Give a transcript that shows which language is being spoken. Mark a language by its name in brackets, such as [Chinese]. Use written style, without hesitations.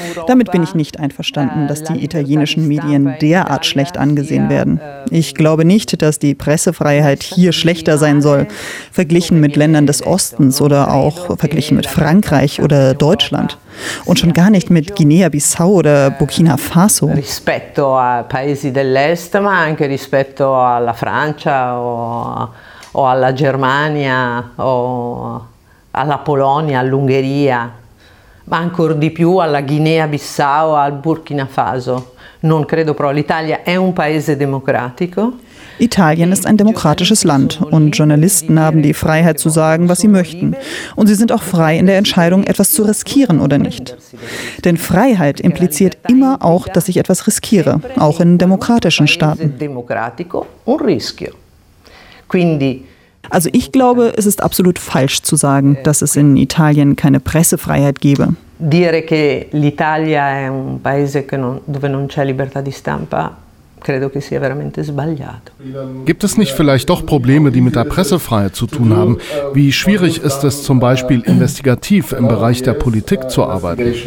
[German] Damit bin ich nicht einverstanden, dass die italienischen Medien derart schlecht angesehen werden. Ich glaube nicht, dass die Pressefreiheit hier schlechter sein soll, verglichen mit Ländern des Ostens oder auch verglichen mit Frankreich oder Deutschland. Und schon gar nicht mit Guinea-Bissau oder Burkina Faso. [Italian] Rispetto a paesi dell'est, ma anche rispetto alla Francia o alla Germania o alla Polonia, all'Ungheria, ma ancor di più alla Guinea-Bissau, al Burkina Faso. Non credo però. L'Italia è un paese democratico. [German] Italien ist ein demokratisches Land und Journalisten haben die Freiheit zu sagen, was sie möchten. Und sie sind auch frei in der Entscheidung, etwas zu riskieren oder nicht. Denn Freiheit impliziert immer auch, dass ich etwas riskiere, auch in demokratischen Staaten. Also ich glaube, es ist absolut falsch zu sagen, dass es in Italien keine Pressefreiheit gebe. [Italian] Dire che l'Italia è un paese dove non c'è libertà di stampa. [German] Gibt es nicht vielleicht doch Probleme, die mit der Pressefreiheit zu tun haben? Wie schwierig ist es zum Beispiel, investigativ im Bereich der Politik zu arbeiten?